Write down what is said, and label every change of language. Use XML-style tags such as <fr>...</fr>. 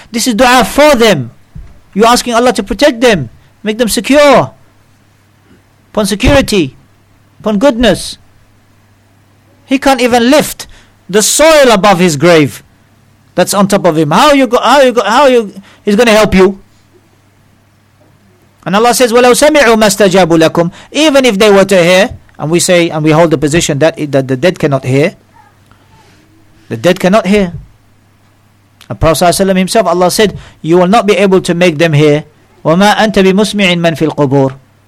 <en>This is dua for them. You're asking Allah to protect them, make them secure, upon security, upon goodness. He can't even lift the soil above his grave that's on top of him. He's going to help you? And Allah says,</en> <ar>وَلَوْ سَمِعُوا مَا اسْتَجَابُوا لَكُمْ.</ar> <en>Even if they were to hear, and we say, and we hold the position that the dead cannot hear. The dead cannot hear. And Prophet ﷺ himself, Allah said, you will not be able to make them hear.</en> <ar>وَمَا أَنْتَ بِمُسْمِعٍ مَنْ فِي الْقُبُورِ.</ar>